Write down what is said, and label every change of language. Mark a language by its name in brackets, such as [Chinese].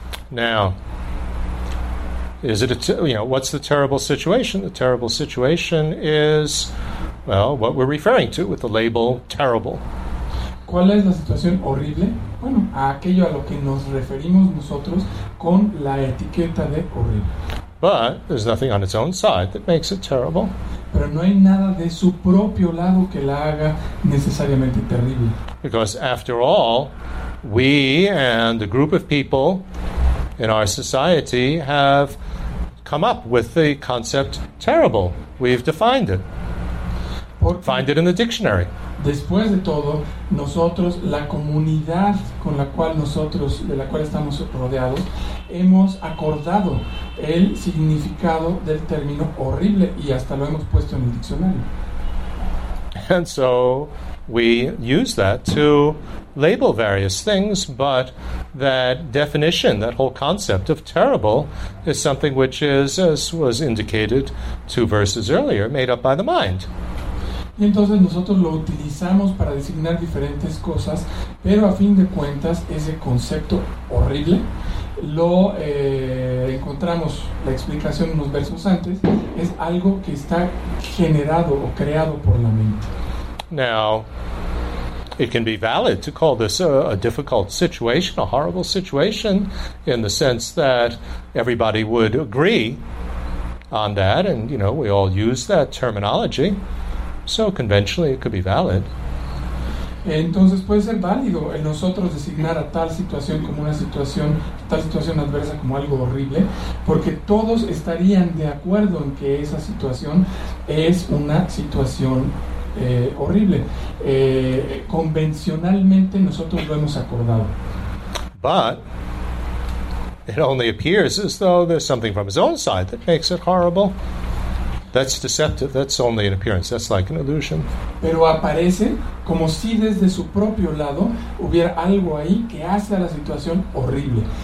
[English] Now, is it a what's the terrible situation? The terrible situation is, well, what we're referring to with the label terrible. [Spanish] ¿Cuál es la situación horrible? Bueno, a aquello a lo que nos referimos nosotros con la etiqueta de horrible. [English] But there's nothing on its own side that makes it terrible. [Spanish] Pero no hay nada de su propio lado que la haga necesariamente terrible. [English] Because after all, we and a group of people in our society have come up with the concept terrible. We've defined it. [Spanish] Porque [English] find it in the dictionary. [Spanish] Después de todo, nosotros, la comunidad con la cual nosotros, de la cual estamos rodeados, hemos acordado el significado del término horrible y hasta lo hemos puesto en el diccionario. [English] And so we use that to label various things, but that definition, that whole concept of terrible, is something which is, as was indicated two verses earlier, made up by the mind. [Spanish] Y entonces nosotros lo utilizamos para designar diferentes cosas, pero a fin de cuentas ese concepto horrible lo encontramos la explicación unos versos antes, es algo que está generado o creado por la mente. [English] Now, it can be valid to call this a difficult situation, a horrible situation, in the sense that everybody would agree on that, and you know, we all use that terminology. So conventionally it could be valid. [Spanish] Entonces puede ser válido el nosotros designar a tal situación como una situación, tal situación adversa como algo horrible, porque todos estarían de acuerdo en que esa situación es una situación horrible. Convencionalmente nosotros lo hemos acordado. [English] But it only appears as though there's something from his own side that makes it horrible. That's deceptive. That's only an appearance. That's like an illusion. [Spanish] Pero aparece como si desde su propio lado hubiera algo ahí que hace a la situación horrible.